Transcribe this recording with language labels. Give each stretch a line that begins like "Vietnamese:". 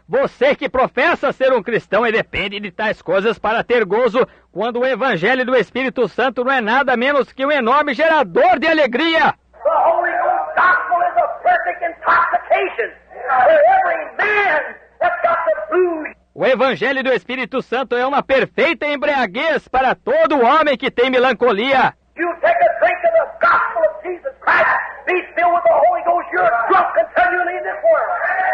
Portuguese: Você que professa ser um cristão e depende de tais coisas para ter gozo, quando o Evangelho do Espírito Santo não é nada menos que um enorme gerador de alegria.
English: The Holy Ghost gospel is a perfect intoxication for every man that's got the blues.
Portuguese: O Evangelho do Espírito Santo é uma perfeita embriaguez para todo homem que tem melancolia.
English: You take a drink of the gospel of Jesus Christ, be filled with the Holy Ghost, you're drunk continually in this world.